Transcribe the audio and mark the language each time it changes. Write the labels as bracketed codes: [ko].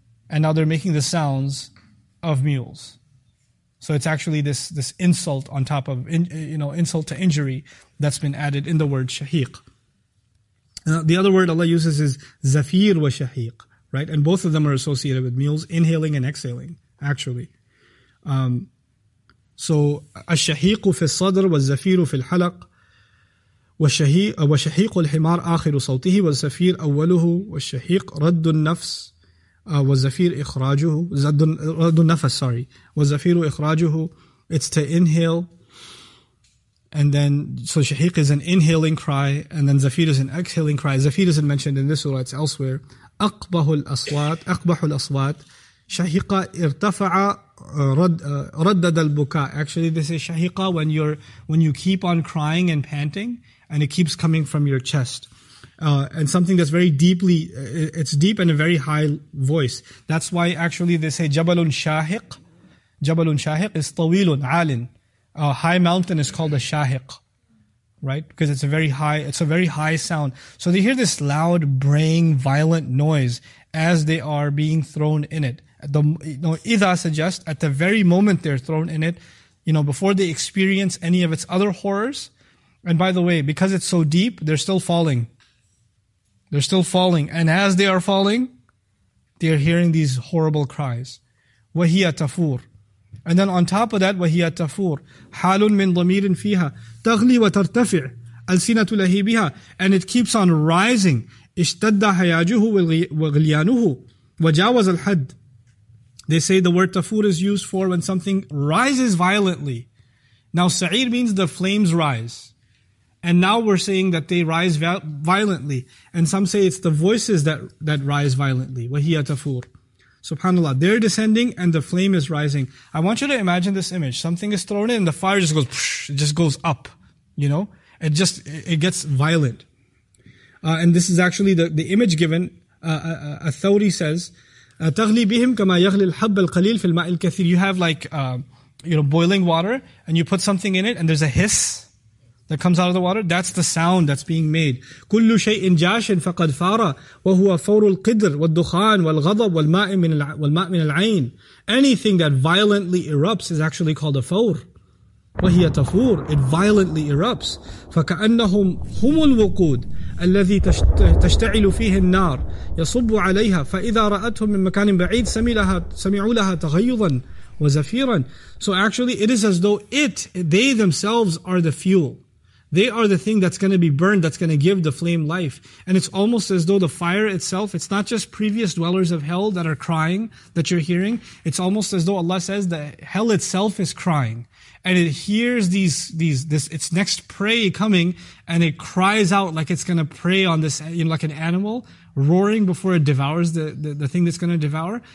[en] And now they're making the sounds of mules. So it's actually this insult on top of, insult to injury that's been added in the word shahiq. Now, the other word Allah uses is zafir wa shahiq. Right, and both of them are associated with mules, inhaling and exhaling, actually. [ar] So, الشَّهِيقُ فِي الصَّدْرِ وَالزَّفِيرُ فِي الْحَلَقِ وَالشَّهِيقُ الْحِمَارِ آخِرُ صَوْتِهِ وَالزَّفِيرُ أَوَّلُهُ وَالشَّهِيقُ رَدُّ النَّفْسِ وَالزَّفِيرُ إِخْرَاجُهُ رَدُّ النَّفَسِ [en] sorry [ar] وَالزَّفِيرُ إِخْرَاجُهُ [en] It's to inhale, and then so shahiq is an inhaling cry, and then zafir is an exhaling cry. Zafir isn't mentioned in this surah; it's elsewhere. [ar] أَقْبَحُ الْأَصْوَاتِ شَهِقَ إِرْتَفَعَ رَدَّدَ الْبُكَاءِ [en] Actually, they say شَهِقَ when you keep on crying and panting, and it keeps coming from your chest. And something that's very deeply, it's deep and a very high voice. That's why actually they say [ar] جَبَلٌ شَاهِقْ جَبَلٌ شَاهِقْ [en] is [ar] طَوِيلٌ عَالٍ [en] A high mountain is called a شَاهِقْ. Right? Because it's a very high sound. So they hear this loud, braying, violent noise as they are being thrown in it. Idha suggests at the very moment they're thrown in it, before they experience any of its other horrors. And by the way, because it's so deep, they're still falling. They're still falling. And as they are falling, they are hearing these horrible cries. وَهِيَ tafur. And then on top of that, وَهِيَ tafur. [ar] حَالٌ مِنْ ضَمِيرٍ فِيهَا تَغْلِي وَتَرْتَفِعْ أَلْسِنَةُ لَهِي بِهَا [en] And it keeps on rising. [ar] اِشْتَدَّ حَيَاجُهُ وَغْلِيَانُهُ وَجَاوَزَ الْحَدْ [en] They say the word tafur is used for when something rises violently. Now sa'ir means the flames rise. And now we're saying that they rise violently. And some say it's the voices that rise violently. وَهِيَ tafur. SubhanAllah, they're descending and the flame is rising. I want you to imagine this image. Something is thrown in and the fire just goes, it just goes up, It gets violent. And this is actually the image given. Thawri says, [ar] تَغْلِي بِهِمْ كَمَا يَغْلِي الْحَبَّ الْقَلِيلِ فِي الْمَاءِ الْكَثِيرِ [en] You have boiling water and you put something in it and there's a hiss that comes out of the water. That's the sound that's being made. [ar] كُلُّ شَيْءٍ جَاشٍ فَقَدْ فَارَ وَهُوَ فَوْرُ الْقِدْرِ وَالدُّخَانِ وَالْغَضَبِ وَالْمَاءِ مِنَ الْعَيْنِ [en] Anything that violently erupts is actually called a fawr. وَهِيَ tafur. It violently erupts. [ar] فَكَأَنَّهُمْ هُمُ الْوَقُودِ الَّذِي تَشْتَعِلُ فِيهِ النَّارِ يَصُبُّ عَلَيْهَا فَإِذَا رَأَتْهُمْ مِنْ مَكَانٍ بَعِيدٍ سَمِعُوا لَهَا تَغَيُّضًا وَزَفِيرًا [en] So actually, it is as though they themselves are the fuel. They are the thing that's going to be burned, that's going to give the flame life. And it's almost as though the fire itself, it's not just previous dwellers of hell that are crying, that you're hearing. It's almost as though Allah says that hell itself is crying. And it hears this its next prey coming, and it cries out like it's going to prey on this, like an animal, roaring before it devours the thing that's going to devour.